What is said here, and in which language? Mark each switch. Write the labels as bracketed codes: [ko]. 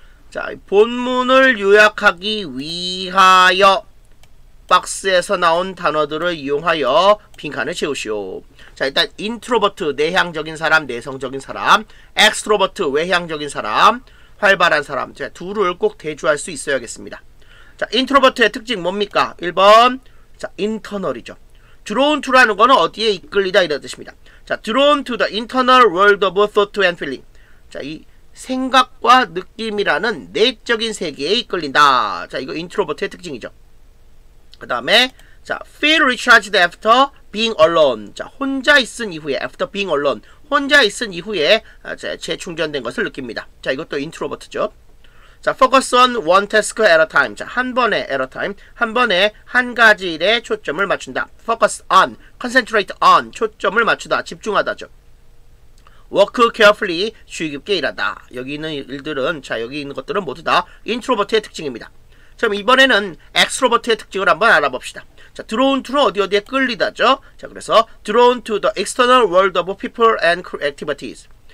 [ko] 자, 본문을 요약하기 위하여 박스에서 나온 단어들을 이용하여 빈칸을 채우시오. 자, 일단 인트로버트, 내향적인 사람, 내성적인 사람, 엑스트로버트, 외향적인 사람, 활발한 사람, 자, 둘을 꼭 대조할 수 있어야겠습니다. 자, 인트로버트의 특징 뭡니까? 1번, 자, 인터널이죠. [en] Drawn to [ko] 라는 거는 어디에 이끌리다 이런 뜻입니다. [en] 자, Drawn to the internal world of thought and feeling. [ko] 자, 이 생각과 느낌이라는 내적인 세계에 이끌린다. 자, 이거 인트로버트의 특징이죠. 그 다음에, [en] 자, feel recharged after being alone. [ko] 자, 혼자 있은 이후에, [en] after being alone. [ko] 혼자 있은 이후에 재충전된 것을 느낍니다. 자, 이것도 인트로버트죠. [en] 자, focus on one task at a time. 자, [ko] 한 번에 [en] at a time. [ko] 한 번에 한 가지 일에 초점을 맞춘다. [en] focus on, concentrate on. [ko] 초점을 맞추다, 집중하다죠. [en] work carefully, [ko] 주의 깊게 일하다. 여기 있는 일들은, 자, 여기 있는 것들은 모두 다 인트로버트의 특징입니다. 그럼 이번에는 엑스트로버트의 특징을 한번 알아봅시다. 자, [en] drawn to [ko] 는 어디 어디에 끌리다죠? [en] 자, 그래서 drawn to the external world of people and activities.